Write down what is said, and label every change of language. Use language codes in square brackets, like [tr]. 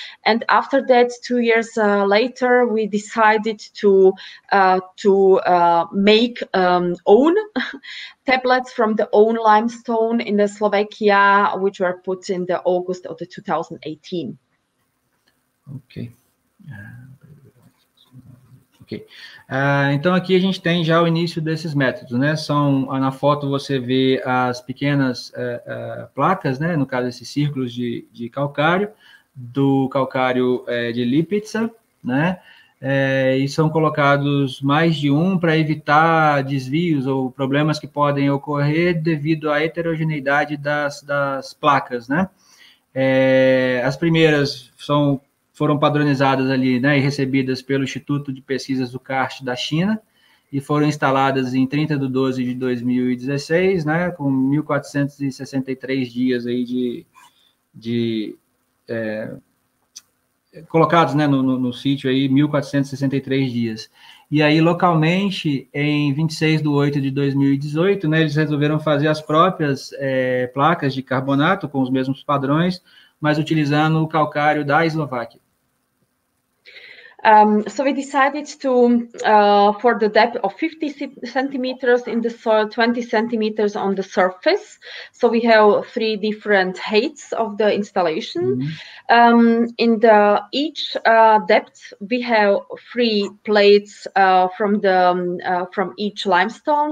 [en] And after that, 2 years later, we decided to make own tablets from the own limestone in the Slovakia, which were put in the August of the 2018. Okay. [pt] Então aqui a gente tem já o início desses métodos, né? São na foto você vê as pequenas placas, né? No caso esses círculos de calcário do calcário de Lipica, né? E são colocados mais de um para evitar desvios ou problemas que podem ocorrer devido à heterogeneidade das placas, né? As primeiras foram padronizadas ali, né, e recebidas pelo Instituto de Pesquisas do Karst da China e foram instaladas em 30 de 12 de 2016, né, com 1.463 dias aí de colocados, né, no sítio aí, 1.463 dias. E aí, localmente, em 26 de 8 de 2018, né, eles resolveram fazer as próprias placas de carbonato com os mesmos padrões, mas utilizando o calcário da Eslováquia. [en] So we decided to, for the depth of 50 centimeters in the soil, 20 centimeters on the surface. So we have three different heights of the installation. Mm-hmm. In the each depth, we have three plates from the from each limestone.